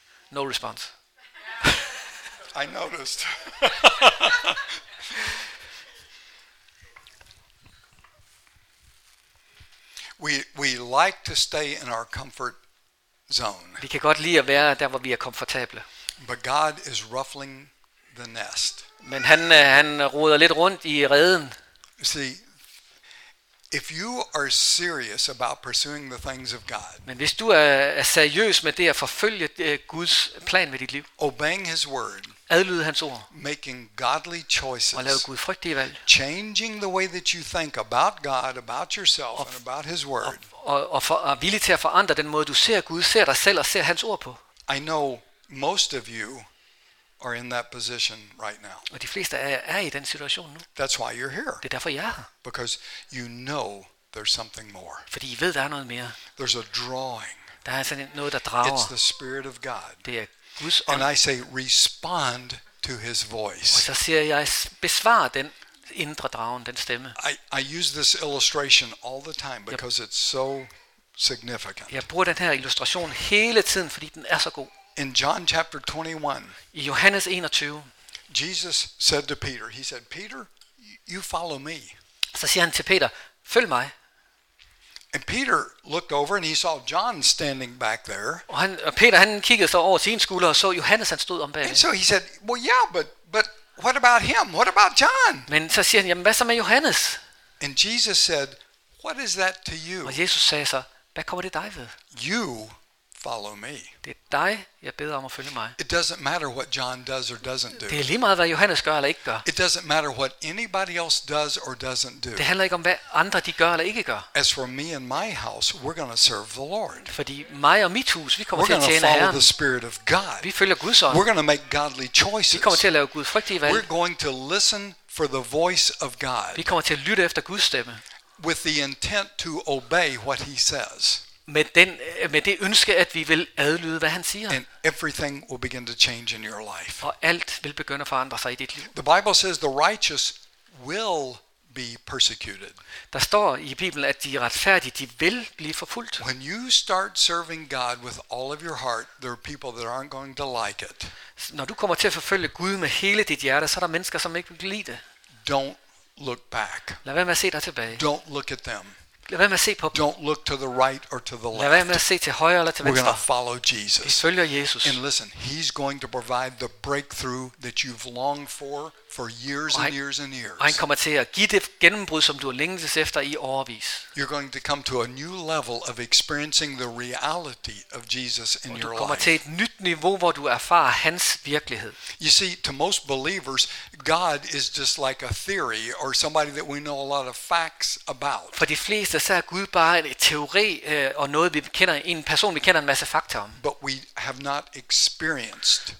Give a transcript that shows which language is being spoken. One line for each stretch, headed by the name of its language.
English: No response. I noticed. We like to stay in our comfort zone.
Danish: Vi kan godt lide at være der hvor vi er komfortable.
English: But God is ruffling the nest.
Danish: Men han roder lidt rundt i reden.
English: See, if you are serious about pursuing the things of God.
Danish: Men hvis du er seriøs med det at forfølge Guds plan med dit liv.
English: Obeying his word.
Danish: Adlyde hans ord.
English: Making godly choices.
Danish: Og lave gudfrygtige valg.
English: Changing the way that you think about God, about yourself and about his word.
Danish: Og villig til at forandre den måde du ser Gud, ser dig selv og ser hans ord på.
English: I know most of you are in that position right now.
Danish: Og de fleste af jer er i den situation nu.
English: That's why you're here.
Danish: Det er derfor jeg er her.
English: Because you know there's something more.
Danish: Fordi I ved der er noget mere.
English: There's a drawing.
Danish: Der er sådan noget der drager.
English: It's the spirit of God.
Danish: Det er
English: And I say, respond to his voice.
Danish: Og så siger jeg, besvar den indre dragen, den stemme.
English: I use this illustration all the time because it's so significant.
Danish: Jeg bruger den her illustration hele tiden, fordi den er så god.
English: In John chapter 21.
Danish: I Johannes 21.
English: Jesus said to Peter. He said, Peter, you follow me.
Danish: Så siger han til Peter, følg mig.
English: And Peter looked over and he saw John standing back there.
Danish: Og Peter han kiggede så over sin skulder og så Johannes han stod om bag.
English: And so he said, "Well, yeah, but what about him? What about John?"
Danish: Men så siger han, "Jamen hvad så med Johannes?"
English: And Jesus said, "What is that to you?"
Danish: Og Jesus sagde så, "Hvad kommer det dig ved?"
English: You follow me.
Danish: Det er dig, jeg beder om at følge mig.
English: It doesn't matter what John does or doesn't do.
Danish: Det er lige meget hvad Johannes gør eller ikke gør.
English: It doesn't matter what anybody else does or doesn't do.
Danish: Det handler ikke om hvad andre de gør eller ikke gør.
English: As for me and my house, we're going to serve the Lord.
Danish: Fordi mig og mit hus, vi kommer
English: we're
Danish: til at tjene Herren.
English: We're going to follow the Spirit of God.
Danish: Vi følger Guds ånd.
English: We're going to make godly choices.
Danish: Vi kommer til at lave gudfrygtige valg.
English: We're going to listen for the voice of God.
Danish: Vi kommer til at lytte efter Guds stemme.
English: With the intent to obey what he says.
Danish: Med det ønske at vi vil adlyde hvad han siger.
English: And everything will begin to change in your life.
Danish: Og alt vil begynde at forandre sig i dit liv.
English: The Bible says the righteous will be persecuted.
Danish: Der står i Bibelen at de retfærdige, de vil blive forfulgt.
English: When you start serving God with all of your heart, there are people that aren't going to like it.
Danish: Når du kommer til at forfølge Gud med hele dit hjerte, så er der mennesker som ikke vil lide det.
English: Don't look back.
Danish: Lad være med at se dig tilbage.
English: Don't look at them.
Danish: Lad være med at se på dem.
English: Don't look to the right or to the left.
Danish: Lad være med at se til højre eller til venstre.
English: We're going to follow Jesus.
Danish: Vi følger Jesus.
English: And listen, he's going to provide the breakthrough that you've longed for years and years and years.
Danish: Han kommer til at give det gennembrud som du har længtes efter i årevis.
English: You're going to come to a new level of experiencing the reality of Jesus in your life.
Danish: Du kommer til et nyt niveau hvor du erfarer hans virkelighed.
English: You see, to most believers, God is just like a theory or somebody that we know a lot of facts about.
Danish: For de fleste så er Gud bare en teori og noget vi kender, en person vi kender en masse fakta om.
English: But we have not experienced.